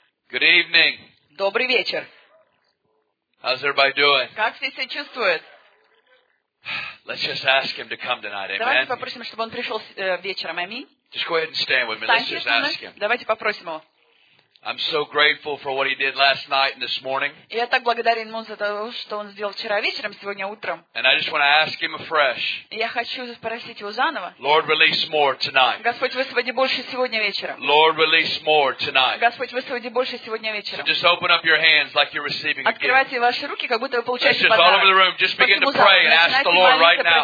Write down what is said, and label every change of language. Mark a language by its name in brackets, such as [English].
[English] Good evening. [Russian] Добрый вечер. [English] How's everybody doing? [Russian] Как все себя чувствуют? [English] Let's just ask him to come tonight, amen? [Russian] Давайте попросим, чтобы он пришел вечером, аминь. [English] Just go ahead and stand with me. Let's just ask him. [Russian] Давайте попросим его. [English] I'm so grateful for what he did last night and this morning. [Russian] Я так благодарен ему за то, что он сделал вчера вечером, сегодня утром. [English] And I just want to ask him afresh. [Russian] Я хочу спросить его заново. [English] Lord, release more tonight. [Russian] Господь, высвободи больше сегодня вечером. [English] Lord, release more tonight. [Russian] Господь, высвободи больше сегодня вечером. [English] Just open up your hands like you're receiving a gift. [Russian] Открывайте ваши руки, как будто вы получаете подарок. [English] Just all over the room, just begin to pray and ask the Lord right now.